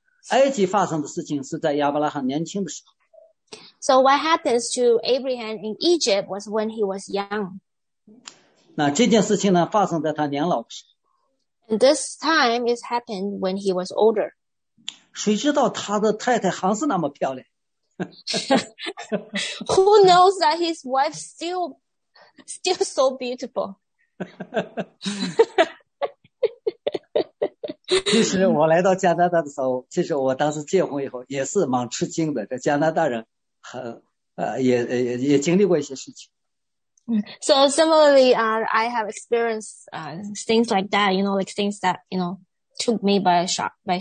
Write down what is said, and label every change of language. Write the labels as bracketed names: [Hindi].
[Chinese] 埃及发生的事情是在亚伯拉罕年轻的时候。 [English] So what happens to Abraham in Egypt was when he was young. [Chinese] 那这件事情呢发生在他年老的时候。 [English] And this time it happened when he was older. [Chinese] 谁知道他的太太还是那么漂亮。 [English] Who knows that his wife still so beautiful? [Chinese] 其实我来到加拿大的时候，其实我当时结婚以后也是蛮吃惊的，这加拿大人很也经历过一些事情。 [English] So similarly, I have experienced things like that, you know, like things that, you know, took me by shock.